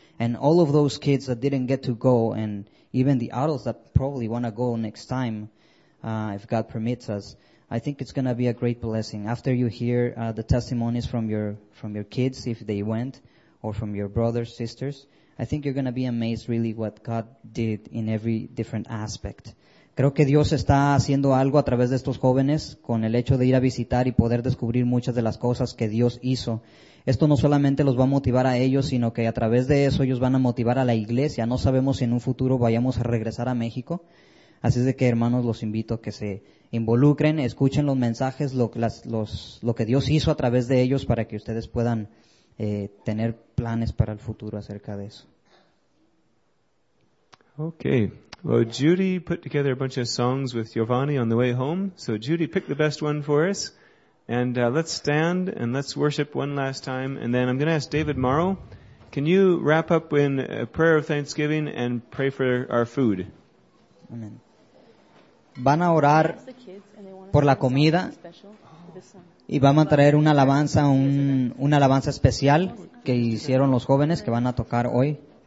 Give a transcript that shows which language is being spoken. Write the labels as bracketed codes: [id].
[en] And all of those kids that didn't get to go, and even the adults that probably want to go next time, if God permits us, I think it's going to be a great blessing. After you hear the testimonies from your kids, if they went, or from your brothers, sisters, I think you're going to be amazed really what God did in every different aspect. [es] Creo que Dios está haciendo algo a través de estos jóvenes con el hecho de ir a visitar y poder descubrir muchas de las cosas que Dios hizo. Esto no solamente los va a motivar a ellos, sino que a través de eso ellos van a motivar a la iglesia. No sabemos si en un futuro vayamos a regresar a México. Así es de que, hermanos, los invito a que se involucren, escuchen los mensajes, lo que Dios hizo a través de ellos para que ustedes puedan tener planes para el futuro acerca de eso. [en] Okay. Well, Judy put together a bunch of songs with Giovanni on the way home. So Judy picked the best one for us. And let's stand and let's worship one last time. And then I'm going to ask David Morrow, can you wrap up in a prayer of thanksgiving and pray for our food? Amen. [es] Van a orar por la comida y van a traer una alabanza, una alabanza especial que hicieron los jóvenes que van a tocar hoy.